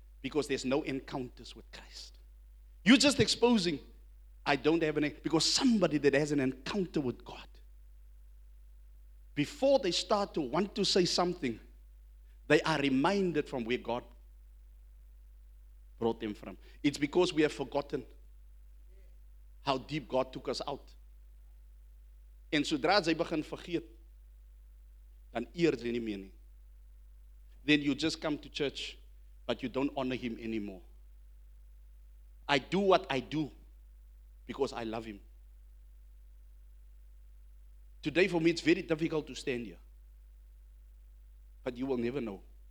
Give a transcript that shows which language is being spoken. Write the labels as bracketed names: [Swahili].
[English] Because there's no encounters with Christ. You're just exposing, I don't have any, because somebody that has an encounter with God, before they start to want to say something, they are reminded from where God brought them from. It's because we have forgotten how deep God took us out. [Afrikaans] En sodra jy begin vergeet, dan eer jy nie meer nie. [English] Then you just come to church, but you don't honor him anymore. I do what I do because I love him. Today for me it's very difficult to stand here. But you will never know.